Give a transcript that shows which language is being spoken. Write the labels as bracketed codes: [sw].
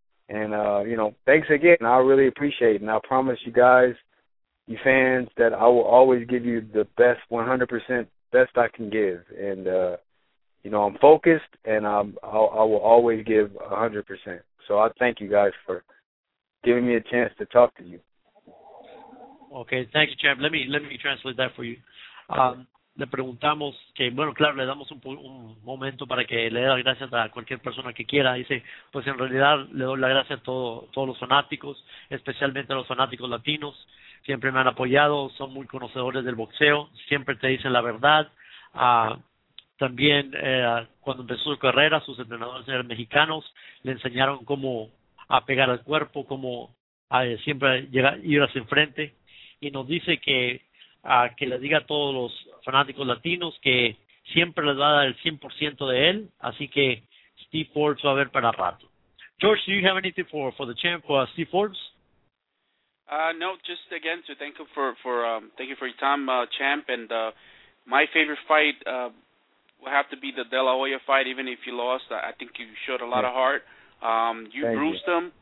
[en] And, you know, thanks again. I really appreciate it. And I promise you guys, you fans, that I will always give you the best, 100% best I can give. And, you know, I'm focused and I will always give 100%. So I thank you guys for giving me a chance to talk to you. Okay, thank you, champ. Let me translate that for you. [es] Le preguntamos que, bueno, claro, le damos un momento para que le dé las gracias a cualquier persona que quiera. Dice, pues en realidad le doy las gracias a todos los fanáticos, especialmente a los fanáticos latinos. Siempre me han apoyado, son muy conocedores del boxeo, siempre te dicen la verdad. También cuando empezó su carrera, sus entrenadores eran mexicanos, le enseñaron cómo a pegar al cuerpo, cómo siempre ir hacia enfrente. Y nos dice que le diga a todos los fanáticos latinos que siempre les va a dar el 100% de él. Así que Steve Forbes va a ver para rato. [en] George, do you have anything for the champ, for Steve Forbes? No, just again to thank you for your time, champ. And my favorite fight will have to be the De La Hoya fight, even if you lost. I think you showed a lot of heart. You bruised him.